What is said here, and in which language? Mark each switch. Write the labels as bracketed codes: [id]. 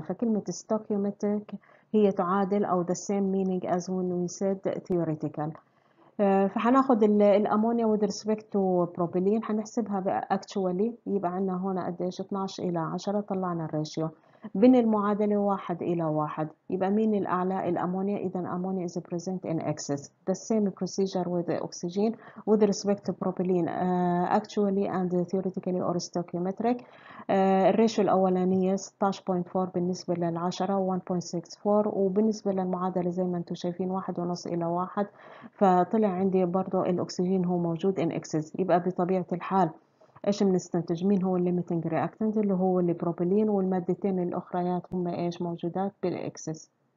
[ar] فكلمة ستوكيومتريك هي تعادل أو the same meaning as when we said theoretical. فحناخد الأمونيا with respect to propylene، حنحسبها actually، يبقى عندنا هنا قديش 12 إلى 10، طلعنا الراتيو بين المعادلة 1 إلى 1، يبقى مين الأعلى؟ الأمونيا. إذا الأمونيا is present in excess. [en] The same procedure with the oxygen with respect to propylene actually and theoretically or stoichiometric. [ar] الريشيو الأولانية 16.4 بالنسبة للعشرة 1.64، وبالنسبة للمعادلة زي ما أنتم شايفين 1.5 إلى 1، فطلع عندي برضو الأكسجين هو موجود in excess. يبقى بطبيعة الحال ايش بنستنتج؟ مين هو الليميتنج رياكتنت؟ اللي هو البروبيلين، والمادتين الاخريات هم ايش؟ موجودات بالاكسس.